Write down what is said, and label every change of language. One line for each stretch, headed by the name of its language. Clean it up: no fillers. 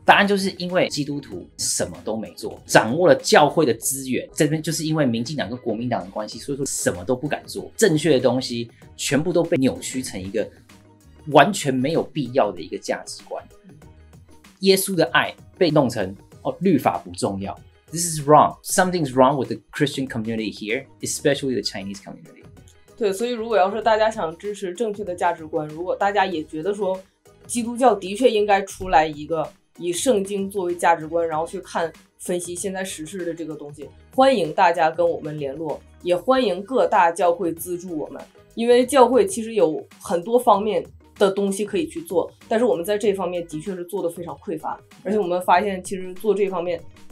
Chinese: 答案就是因为基督徒什么都没做，掌握了教会的资源，这边就是因为民进党跟国民党的关系，所以说什么都不敢做，正确的东西全部都被扭曲成一个完全没有必要的一个价值观。耶稣的爱被弄成哦，律法不重要。
English: This is wrong. Something's wrong with the Christian community here, especially the Chinese community.
Chinese: 对，所以如果要是大家想支持正确的价值观，如果大家也觉得说基督教的确应该出来一个以圣经作为价值观，然后去看分析现在时事的这个东西，欢迎大家跟我们联络，也欢迎各大教会资助我们，因为教会其实有很多方面的东西可以去做，但是我们在这方面的确是做得非常匮乏，而且我们发现其实做这方面